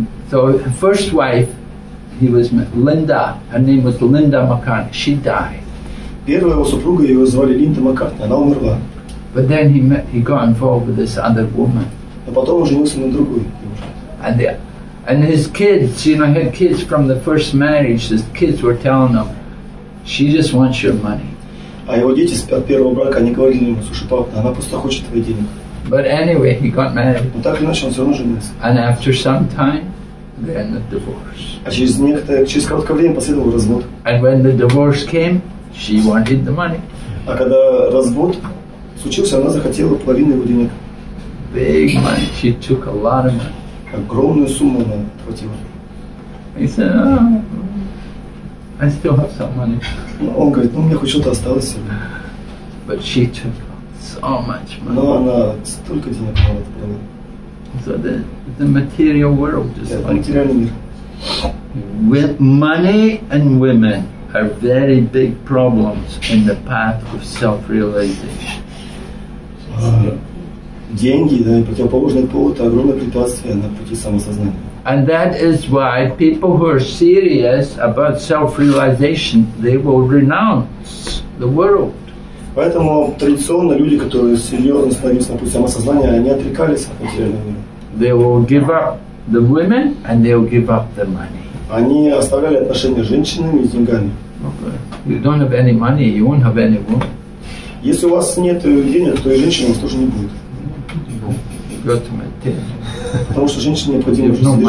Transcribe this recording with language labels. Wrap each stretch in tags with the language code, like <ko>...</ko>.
<en>So first wife, he was Linda. Her name was Linda McCartney. She died.</en> <ru>Первая его супруга, ее звали Линда Маккартни. Она умерла.</ru> <en>But then he got involved with this other woman.</en> <ru>Но потом он женился на другой девушке.</ru> <en>And his kids, you know, had kids from the first marriage. His kids were telling him, "She just wants your money."</en> <ru>А его дети от первого брака они говорили ему: "Слушай, папа, она просто хочет твои деньги."</ru> <en>But anyway, he got married.</en> <ru>Но так или иначе, он все равно женился.</ru> <en>And after some time, they ended divorce.</en> <ru>А через короткое время последовал развод.</ru> <en>And when the divorce came, she wanted the money.</en> <ru>А когда развод случился, она захотела половину его денег.</ru> <en>Big money. She took a lot of money.</en> <ru>Огромную сумму она платила.</ru> <en>He said, oh, I still have some money.</en> <ru>Но он говорит, ну, у меня хоть что-то осталось.</ru> <en>But she took so much money.</en> <ru>Но она столько денег отправила.</ru> <en>So the material world is like</en> <ru>материальный мир.</ru> <en>With money and women are very big problems in the path of self-realization.</en> <ru>Деньги, да, и противоположный пол — это огромное препятствие на пути самосознания.</ru> <en>And that is why people who are serious about self-realization, they will renounce the world.</en> <ru>Поэтому традиционно люди, которые серьезно становились на пути самосознания, они отрекались от материального мира.</ru> <en>They will give up the women and they will give up the money.</en> <ru>Они оставляли отношения с женщинами и с деньгами.</ru> <en>Okay. You don't have any money, you won't have any woman.</en> <ru>Если у вас нет денег, то и женщин у вас тоже не будет. Потому что женщине необходимо жить.</ru>